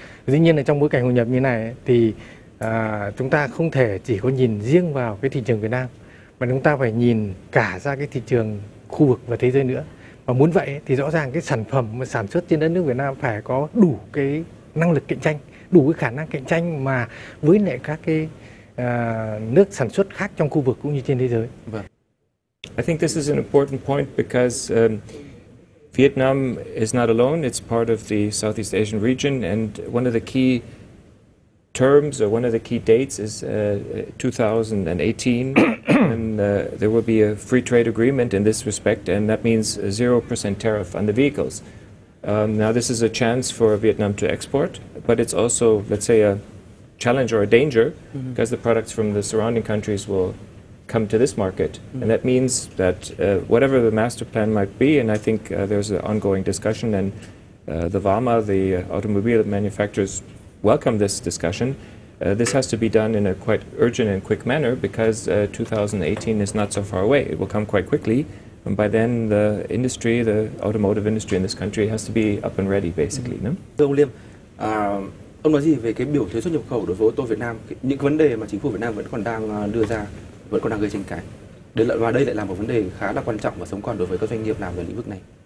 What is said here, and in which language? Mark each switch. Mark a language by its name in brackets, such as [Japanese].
[Vietnamese] Dĩ nhiên là trong bối cảnh hội nhập như này thì chúng ta không thể chỉ có nhìn riêng vào cái thị trường Việt Nam mà chúng ta phải nhìn cả ra cái thị trường khu vực và thế giới nữa. Và muốn vậy thì rõ ràng cái sản phẩm mà sản xuất trên đất nước Việt Nam phải có đủ cái năng lực cạnh tranh, đủ cái khả năng cạnh tranh mà với lại các cái nước sản xuất khác trong khu vực cũng như trên thế giới. [English] I think this is an important point because Vietnam is not alone, it's part of the Southeast Asian region, and one of the key terms or one of the key dates is 2018 and there will be a free trade agreement in this respect, and that means 0% tariff on the vehicles. Now this is a chance for Vietnam to export, but it's also, let's say, a challenge or a danger because mm-hmm. the products from the surrounding countries will come to this market. Mm-hmm. And that means that whatever the master plan might be, and I think there's an ongoing discussion, and the VAMA, the automobile manufacturers, welcome this discussion. This has to be done in a quite urgent and quick manner because 2018 is not so far away. It will come quite quickly. And by then, the industry, the automotive industry in this country has to be up and ready, basically. Mm-hmm. No? [Vietnamese] Thưa ông Liêm, ông nói gì về cái biểu thuế xuất nhập khẩu đối với ô tô Việt Nam? Những vấn đề mà chính phủ Việt Nam vẫn còn đang đưa ra, vẫn còn đang gây tranh cãi. Và đây lại là một vấn đề khá là quan trọng và sống còn đối với các doanh nghiệp làm về lĩnh vực này.